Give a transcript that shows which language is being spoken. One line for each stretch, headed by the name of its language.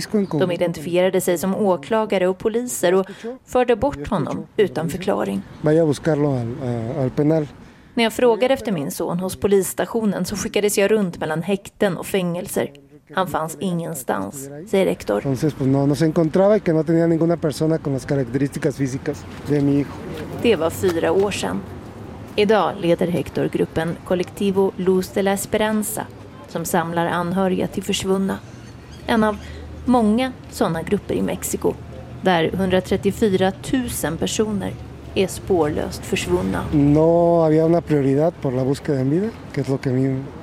Swedish: De identifierade sig som åklagare och poliser och förde bort honom utan förklaring. När jag frågade efter min son hos polisstationen så skickades jag runt mellan häkten och fängelser. Han fanns ingenstans, säger Héctor.
Spanish: Entonces pues no se encontraba y que no tenía ninguna persona con las características físicas de mi hijo.
Swedish: Det var 4 år sedan. Idag leder Héctor gruppen Colectivo Luz de la Esperanza som samlar anhöriga till försvunna. En av många sådana grupper i Mexiko där 134 000 personer är spårlöst försvunna.
Spanish: No había una prioridad por la búsqueda en vida, que es lo que a mí